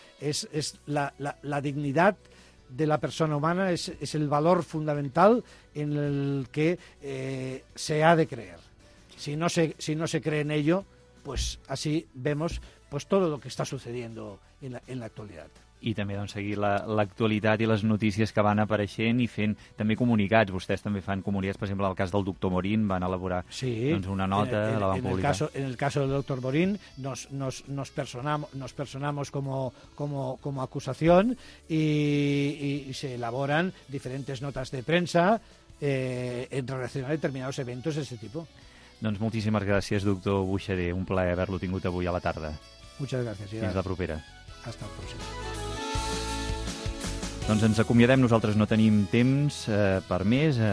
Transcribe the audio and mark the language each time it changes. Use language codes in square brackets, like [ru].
[es] Es la dignidad de la persona humana es el valor fundamental en el que se ha de creer. Si no se cree en ello, pues así vemos pues todo lo que está sucediendo en la actualidad. [ca] I també, doncs, seguir l'actualitat i les notícies que van apareixent i fent també comunicats. Vostès també fan comunicats, per exemple, el cas del doctor Morín, van elaborar sí, doncs, una nota, la van publicar. [es] En el caso del doctor Morín, nos personamos como acusación y se elaboran diferentes notas de prensa en relación a determinados eventos de ese tipo. [ca] Doncs moltíssimes gràcies, doctor Buixader. Un plaer haver-lo tingut avui a la tarda. [es] Muchas gracias. [ca] Fins la propera. [es] Hasta la próxima. [ca] Doncs ens acomiadem, nosaltres no tenim temps per més.